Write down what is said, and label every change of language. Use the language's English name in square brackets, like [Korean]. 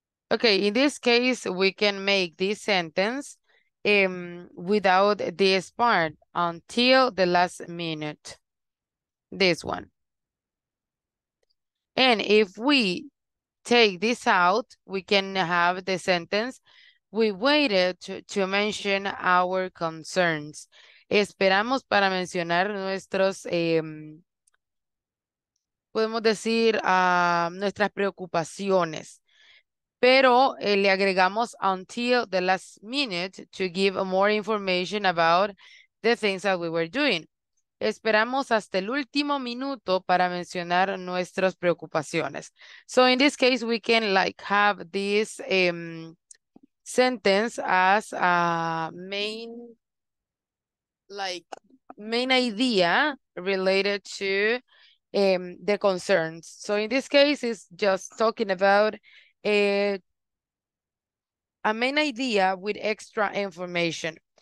[English] Okay, in this case, we can make this sentence without this part, until the last minute, this one. And if we take this out, we can have the sentence, we waited to mention our concerns. [Spanish] Esperamos para mencionar nuestros, podemos decir, nuestras preocupaciones. Pero le agregamos [English] until the last minute to give more information about the things that we were doing. [Spanish] Esperamos hasta el último minuto para mencionar nuestras preocupaciones. [English] So in this case, we can like have this sentence as a main, like main idea related to the concerns. So in this case, it's just talking about a main idea with extra information.